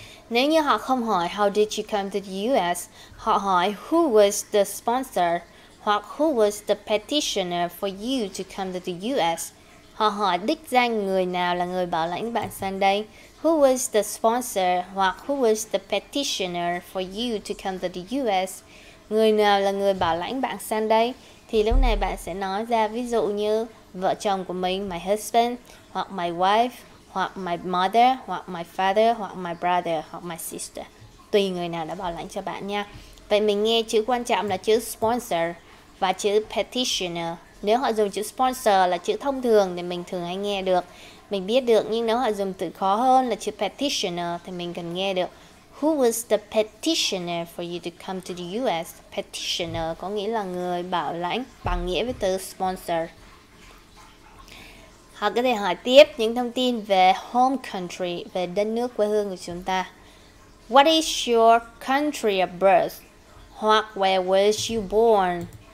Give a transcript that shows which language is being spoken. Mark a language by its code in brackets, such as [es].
[vi] Nếu như họ không hỏi [en] how did you come to the US, [vi] họ hỏi [en] who was the sponsor hoặc who was the petitioner for you to come to the US. [vi] Họ hỏi đích danh người nào là người bảo lãnh bạn sang đây. [en] Who was the sponsor hoặc who was the petitioner for you to come to the US? [vi] Người nào là người bảo lãnh bạn sang đây? Thì lúc này bạn sẽ nói ra ví dụ như vợ chồng của mình, my husband, hoặc my wife, hoặc my mother, hoặc my father, hoặc my brother, hoặc my sister. Tùy người nào đã bảo lãnh cho bạn nha. Vậy mình nghe chữ quan trọng là chữ sponsor và chữ petitioner. Nếu họ dùng chữ sponsor là chữ thông thường thì mình thường hay nghe được, mình biết được. Nhưng nếu họ dùng từ khó hơn là chữ petitioner thì mình cần nghe được. [en] Who was the petitioner for you to come to the US? [vi] Petitioner có nghĩa là người bảo lãnh, bằng nghĩa với từ sponsor. Họ có thể hỏi tiếp những thông tin về home country, về đất nước quê hương của chúng ta. [en] What is your country of birth? Hoặc where was you born?